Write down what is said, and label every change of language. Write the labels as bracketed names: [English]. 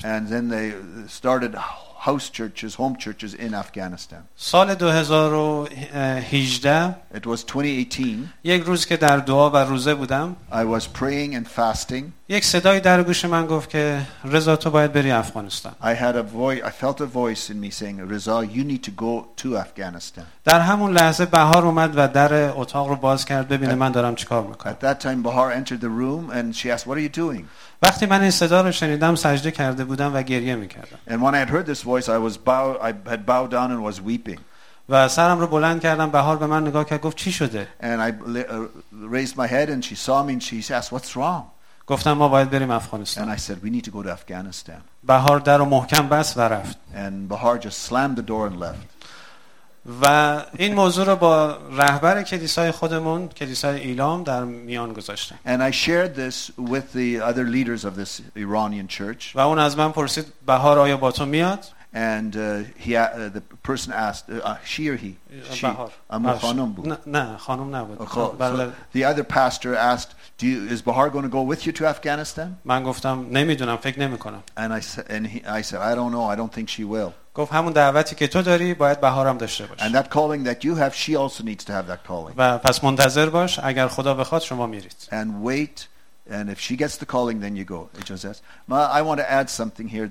[English] And then they started house churches, home churches in Afghanistan. [Persian] سال 2018 [English] It was 2018. [Persian] یک روز که در دعا و روزه بودم [English] I was praying and fasting. [Persian] یک صدای در گوش من گفت که رضا تو باید بری افغانستان. [English] I felt a voice in me saying Reza you need to go to Afghanistan. [Persian] در همون لحظه بهار اومد و در اتاق رو باز کرد ببینه من دارم چیکار میکنم. [English] At that time Bahar entered the room and she asked what are you doing? [Persian] وقتی من این صدا رو شنیدم سجده کرده بودم و گریه میکردم. [English] And when I had heard this voice I had bowed down and was weeping. [Persian] و سرم رو بلند کردم بهار به من نگاه کرد گفت چی شده؟ [English] And I raised my head and she saw me and she asked what's wrong? [Persian] گفتم ما باید بریم افغانستان. [English] And I said we need to go to Afghanistan. [Persian] بهار در رو محکم بست و رفت. [English] And Bahar just slammed the door and left. [Persian] و این موضوع رو با رهبر کلیسای خودمون کلیسای ایلام در میان گذاشتم. [English] And I shared this with the other leaders of this Iranian church. [Persian] و اون از من پرسید بهار آیا با تو میاد؟ [English] And the person asked the other pastor asked is Bahar going to go with you to Afghanistan? [Persian] من گفتم نمیدونم فکر نمی کنم. [English] And I said I don't know, I don't think she will. [Persian] گفت همون دعوتی که تو داری باید بهار هم داشته باشه. [English] And that calling that you have she also needs to have that calling. [Persian] و پس منتظر باش اگر خدا بخواد شما میرید. [English] And wait and if she gets the calling then you go. It just says I want to add something here.